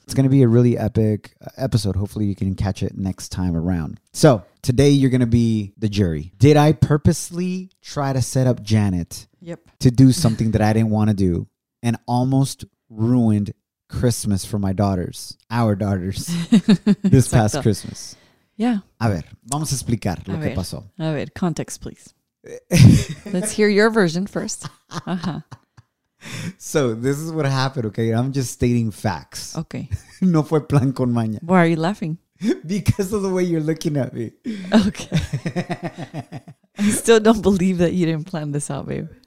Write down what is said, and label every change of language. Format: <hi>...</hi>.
<en>It's going to be a really epic episode. Hopefully you can catch it next time around. So today you're going to be the jury. Did I purposely try to set up Janet to do something that I didn't want to do and almost ruined Christmas for my daughters, our daughters, this past Christmas? Yeah.</en> <es>A ver, vamos a explicar lo que pasó. A ver,</es> <en>context, please. Let's hear your version first. So this is what happened, okay? I'm just stating facts. Okay.</en> <es>No fue plan con maña.</es> <en>Why are you laughing? Because of the way you're looking at me. Okay. I still don't believe that you didn't plan this out, babe.</en>